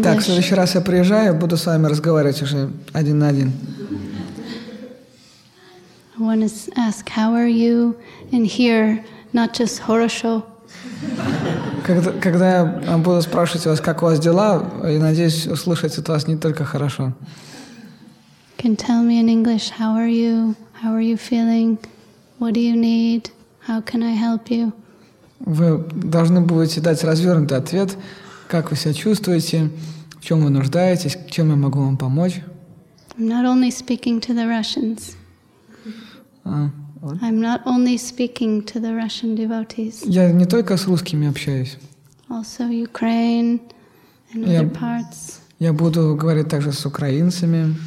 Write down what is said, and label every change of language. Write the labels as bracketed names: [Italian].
[Russian] Итак, в следующий раз я приезжаю, буду с вами разговаривать уже один на один. [English] I want to ask how are you and hear not just хорошо. [Russian] Когда я буду спрашивать вас, как у вас дела, и надеюсь услышать от вас не только хорошо. [English] Can tell me in English how are you? How are you feeling? What do you need? How can I help you? [Russian] Вы должны будете дать развернутый ответ, как вы себя чувствуете, в чем вы нуждаетесь, чем я могу вам помочь. [English] I'm not only speaking to the Russians. I'm not only speaking to the Russian devotees. [Russian] Я не только с русскими общаюсь. [English] Also Ukraine and other parts. [Russian] Я буду говорить также с украинцами.